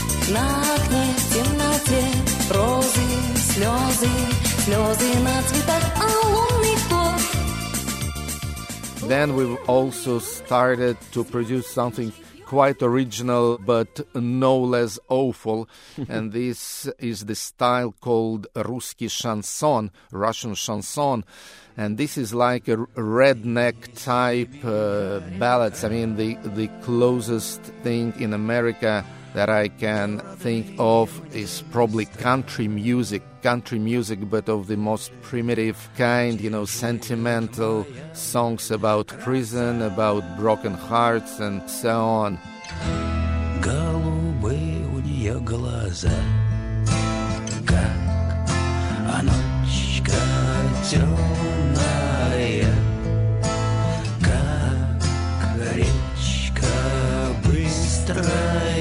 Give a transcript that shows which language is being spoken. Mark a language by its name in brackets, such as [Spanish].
[Russian] На окне в темноте розы, слезы, слезы на цветах, а лунный кот. [English] Then we also started to produce something quite original, but no less awful. And this is the style called Русский шансон, Russian chanson. And this is like a redneck type ballads. I mean, the closest thing in America that I can think of is probably country music, but of the most primitive kind, you know, sentimental songs about prison, about broken hearts, and so on. [Russian] Голубые у нее глаза, как ночка темная, как речка быстрая.